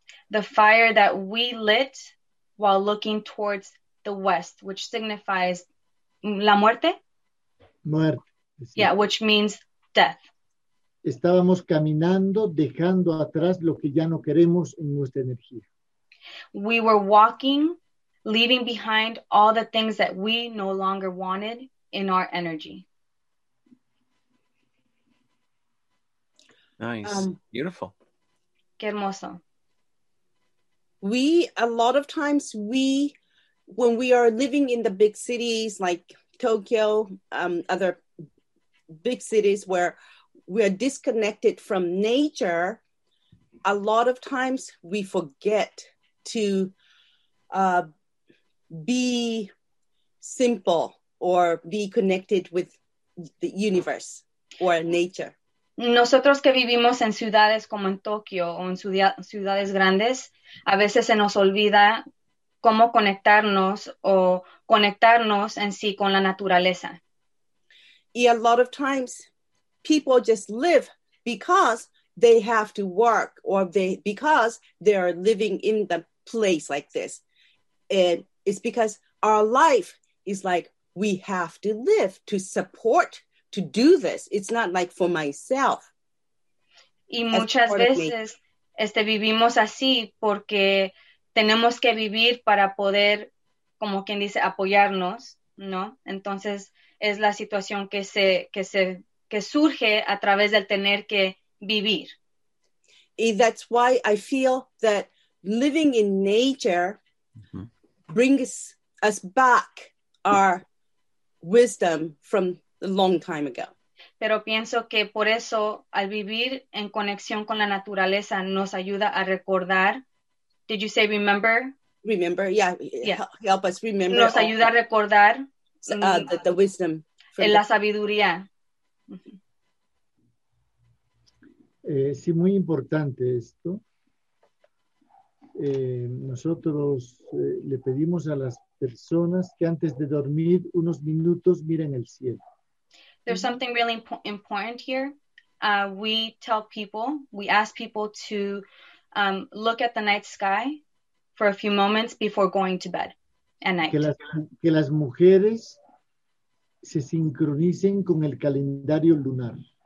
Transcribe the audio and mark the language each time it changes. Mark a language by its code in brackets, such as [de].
[en] The fire that we lit while looking towards the west, which signifies [es] la muerte. Muerte. Sí. [en] Yeah, which means death. [es] Estábamos caminando, dejando atrás lo que ya no queremos en nuestra energía. [en] We were walking, leaving behind all the things that we no longer wanted in our energy. Nice. Beautiful. [es] Qué hermoso. [en] We, a lot of times, we, when we are living in the big cities like Tokyo, other big cities where we are disconnected from nature, a lot of times we forget to be simple or be connected with the universe or nature. [es] Nosotros que vivimos en ciudades como en Tokio o en ciudades grandes, a veces se nos olvida cómo conectarnos o conectarnos en sí con la naturaleza. Y [en] a lot of times people just live because they have to work or because they are living in the place like this. And it's because our life is like we have to live to support, to do this. It's not like for myself. [es] Y muchas veces vivimos así porque tenemos que vivir para poder, como quien dice, apoyarnos, ¿no? Entonces es la situación que surge a través del tener que vivir. [en] And that's why I feel that living in nature mm-hmm. brings us back our wisdom from a long time ago. [es] Pero pienso que por eso al vivir en conexión con la naturaleza nos ayuda a recordar. [en] Did you say remember? Remember, yeah. Help us remember. [es] Nos ayuda a recordar. [en] The wisdom. [es] En la sabiduría. Sí, muy importante esto. Nosotros le pedimos a las personas que antes de dormir unos minutos miren el cielo. [en] There's something really important here. We tell people, we ask people to look at the night sky for a few moments before going to bed at night. [es] Que las mujeres se sincronicen con el calendario lunar.